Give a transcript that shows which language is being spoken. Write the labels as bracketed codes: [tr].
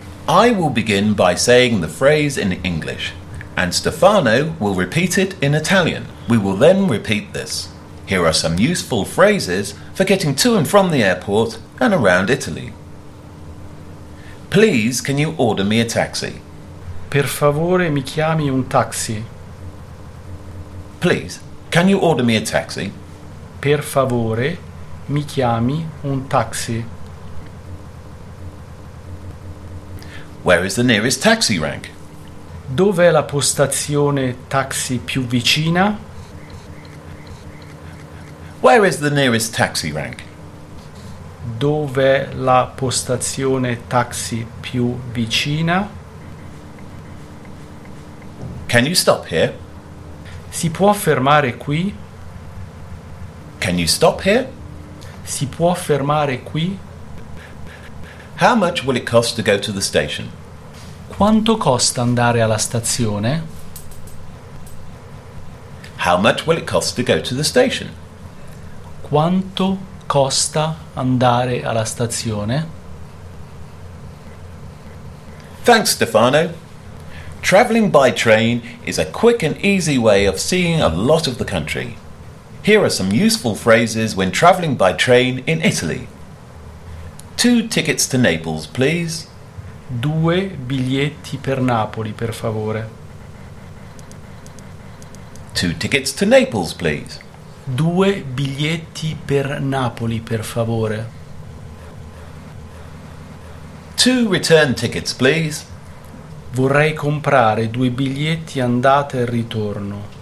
[en] I will begin by saying the phrase in English, and Stefano will repeat it in Italian. We will then repeat this. Here are some useful phrases for getting to and from the airport and around Italy. Please, can you order me a taxi? [it] Per favore, mi chiami un taxi. [en] Please, can you order me a taxi? [it] Per favore, mi chiami un taxi. [en] Where is the nearest taxi rank? [it] Dov'è la postazione taxi più vicina? [en] Where is the nearest taxi rank? [it] Dov'è la postazione taxi più vicina? [en] Can you stop here? [it] Si può fermare qui? [en] Can you stop here? [it] Si può fermare qui? [en] How much will it cost to go to the station? [it] Quanto costa andare alla stazione? [en] How much will it cost to go to the station? [it] Quanto costa andare alla stazione? [en] Thanks, Stefano. Traveling by train is a quick and easy way of seeing a lot of the country. Here are some useful phrases when traveling by train in Italy. 2 tickets to Naples, please. [it] 2 biglietti per Napoli, per favore. [en] 2 tickets to Naples, please. [it] 2 biglietti per Napoli, per favore. [en] 2 return tickets, please. [it] Vorrei comprare 2 biglietti andata e ritorno.